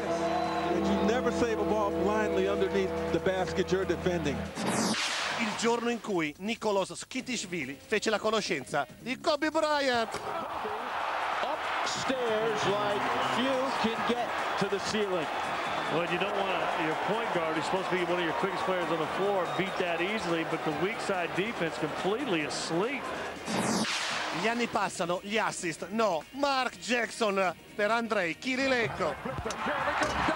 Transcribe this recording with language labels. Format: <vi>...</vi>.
<en>That you never save a ball blindly underneath the basket you're defending.</en> <it>Il giorno in cui Nicholas Skitishvili fece la conoscenza di Kobe Bryant.</it> <en>Stairs like few can get to the ceiling. Well, you don't want to, your point guard, who's supposed to be one of your quickest players on the floor, beat that easily, but the weak side defense completely asleep.</en> <it>Gli anni passano, gli assist, no, Mark Jackson per Andrei Kirilenko.</it>